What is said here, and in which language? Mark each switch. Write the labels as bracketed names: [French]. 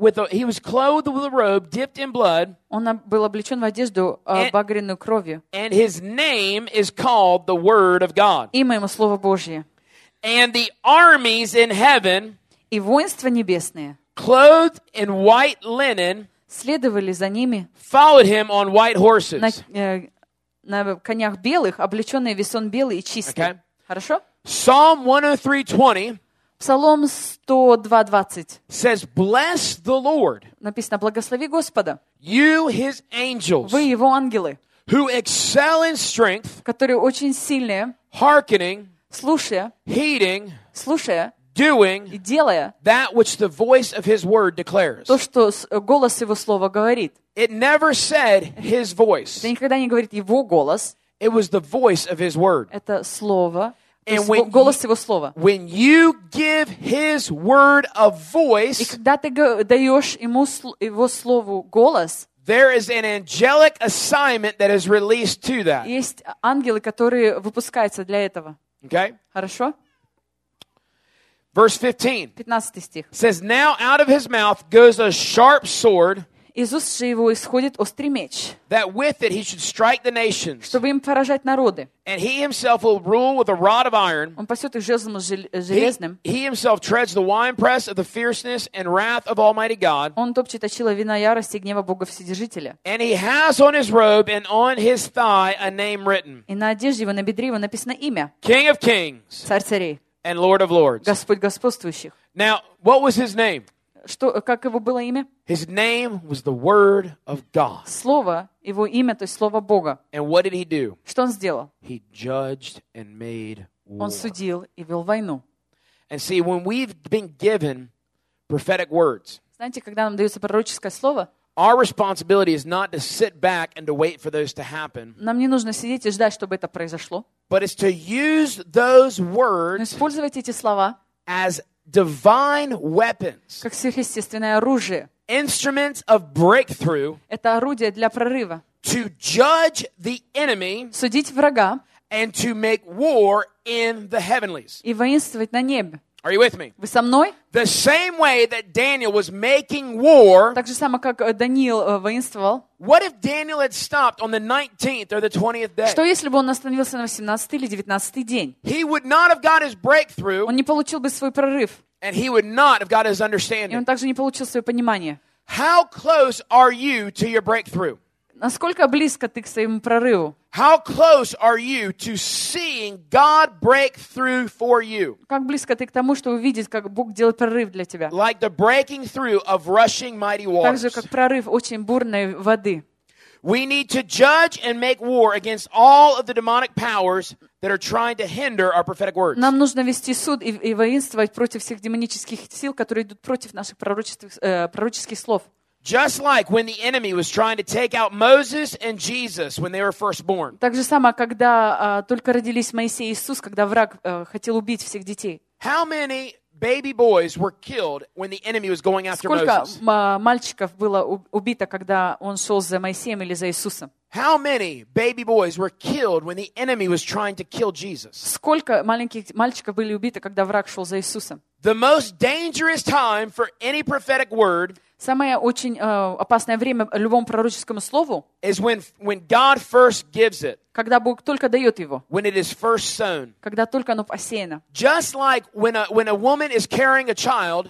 [English] He was clothed with a robe dipped in blood. [Russian] Он был облечен в одежду багряную кровью. [English] And his name is called the Word of God. [Russian] Имя ему Слово Божье. [English] And the armies in heaven. [Russian] И воинства небесные. [English] Clothed in white linen. [Russian] Следовали за ними. [English] Followed him on white horses. [Russian] На конях белых, облеченные весон белый и чистый. [English] Okay. [Russian] Хорошо? [English] Psalm 103:20. [Russian] Псалом 102:20. [English] Says, "Bless the Lord." [Russian] Написано: "Благослови Господа." [English] You His angels. [Russian] Вы Его ангелы. [English] Who excel in strength. [Russian] Которые очень сильные. [English] Hearkening. [Russian] Слушая. [English] Heeding. [Russian] Слушая. [English] Doing. [Russian] И делая. [English] That which the voice of His word declares. [Russian] То, что голос Его слова говорит. [English] It never said His voice. [Russian] Это никогда не говорит Его голос. [English] It was the voice of His word. [Russian] Это слово. [English] And when, [Russian] голос Его слова. [English] When you give His word a voice, [Russian] и когда ты даешь ему Его слову голос, [English] there is an angelic assignment that is released to that. [Russian] Есть ангелы, которые выпускаются для этого. [English] Okay. [Russian] Хорошо. [English] Verse 15. [Russian] 15 стих. [English] Says, now out of His mouth goes a sharp sword. [Russian] Из уст же его исходит острый меч, [English] that with it he should strike the nations, [Russian] чтобы им поражать народы. [English] And he himself will rule with a rod of iron. [Russian] Он пасет их жезлом железным. [English] He himself treads the winepress of the fierceness and wrath of Almighty God. [Russian] Он топчет очила вина ярости и гнева Бога Вседержителя. [English] And he has on his robe and on his thigh a name written. [Russian] И на одежде его, на бедре его написано имя. [English] King of kings. [Russian] Царь царей. [English] And Lord of lords. [Russian] Господь господствующих. [English] Now, what was his name? [Russian] Что, как его было имя? [English] His name was the Word of God. [Russian] Слово, его имя, то есть Слово Бога. [English] And what did he do? [Russian] Что он сделал? [English] He judged and made war. [Russian] Он судил и вел войну. [English] And see, when we've been given prophetic words, [Russian] знаете, когда нам дается пророческое слово, [English] our responsibility is not to sit back and to wait for those to happen. [Russian] Нам не нужно сидеть и ждать, чтобы это произошло. [English] But it's to use those words, [Russian] использовать эти слова, [English] as divine weapons, [Russian] как сверхъестественное оружие, [English] instruments of breakthrough, [Russian] это орудие для прорыва, [English] to judge the enemy, [Russian] судить врага, [English] and to make war in the heavenlies, [Russian] и воинствовать на небе. [English] Are you with me? [Russian] Вы со мной? [English] The same way that Daniel was making war, [Russian] так же само, как Даниил воинствовал. [English] What if Daniel had stopped on the 19th or the 20th day? [Russian] Что если бы он остановился на 18-й или 19-й день? [English] He would not have got his breakthrough. [Russian] Он не получил бы свой прорыв. [English] And he would not have got his understanding. [Russian] И он также не получил свое понимание. [English] How close are you to your breakthrough? [Russian] Насколько близко ты к своему прорыву? [English] How close are you to seeing God break through for you? [Russian] Как близко ты к тому, чтобы увидеть, как Бог делает прорыв для тебя? [English] Like the breaking through of rushing mighty waters. [Russian] Так же, как прорыв очень бурной воды. [English] We need to judge and make war against all of the demonic powers that are trying to hinder our prophetic words. [Russian] Нам нужно вести суд и воинствовать против всех демонических сил, которые идут против наших пророческих слов. [English] Just like when the enemy was trying to take out Moses and Jesus when they were first born. [Russian] Так же само, когда только родились Моисей и Иисус, когда враг хотел убить всех детей. [English] How many baby boys were killed when the enemy was going after Moses? [Russian] Сколько мальчиков было убито, когда он шел за Моисеем или за Иисусом? [English] How many baby boys were killed when the enemy was trying to kill Jesus? [Russian] Сколько маленьких мальчиков были убиты, когда враг шел за Иисусом? [English] The most dangerous time for any prophetic word. [Russian] Самое очень опасное время любому пророческому слову [English] is when God first gives it. [Russian] Когда Бог только дает его. [English] When it is first sown. [Russian] Когда только оно посеяно. [English] Just like when a woman is carrying a child.